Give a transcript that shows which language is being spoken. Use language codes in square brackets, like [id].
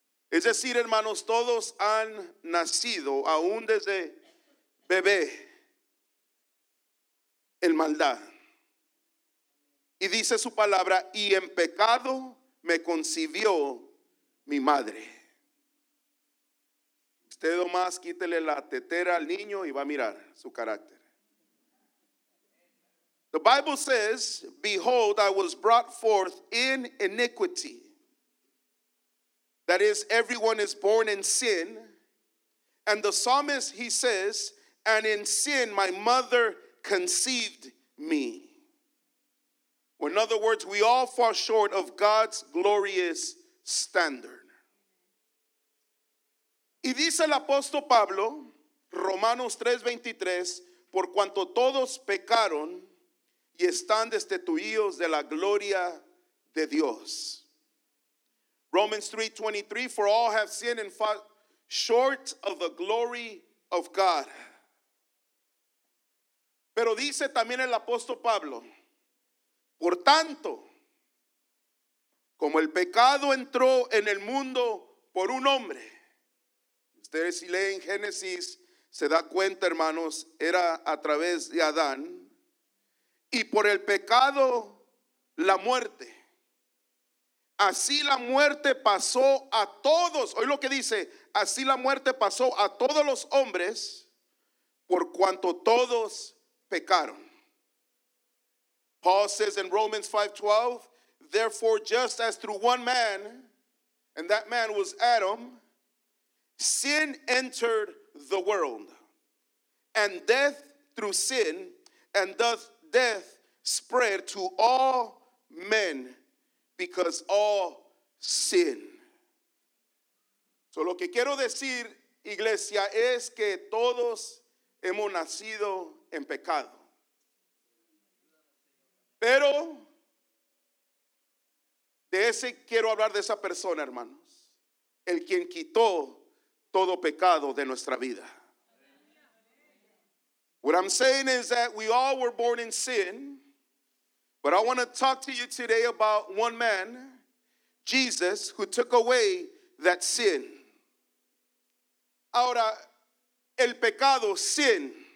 [es] Es decir, hermanos, todos han nacido, aún desde bebé, en maldad. Y dice su palabra, y en pecado me concibió mi madre. Usted nomás quítele la tetera al niño y va a mirar su carácter. [en] The Bible says, behold, I was brought forth in iniquity. That is, everyone is born in sin. And the psalmist, he says, and in sin my mother conceived me. Well, in other words, we all fall short of God's glorious standard. [es] Y dice el apóstol Pablo, Romanos 3:23, por cuanto todos pecaron y están destituidos de la gloria de Dios. [en] Romans 3:23, for all have sinned and fall short of the glory of God. [es] Pero dice también el apóstol Pablo, por tanto, Como el pecado entró en el mundo por un hombre. Ustedes si leen Génesis se da cuenta, hermanos, era a través de Adán. Y por el pecado la muerte. Así la muerte pasó a todos. Oye lo que dice, así la muerte pasó a todos los hombres por cuanto todos pecaron. [en] Paul says in Romans 5:12, therefore just as through one man, and that man was Adam, sin entered the world, and death through sin, and thus death spread to all men, because all sin. [es] So lo que quiero decir, iglesia, es que todos hemos nacido en pecado. Pero de ese quiero hablar, de esa persona, hermanos, el quien quitó todo pecado de nuestra vida. [en] What I'm saying is that we all were born in sin, but I want to talk to you today about one man, Jesus, who took away that sin. [es] Ahora, el pecado, sin.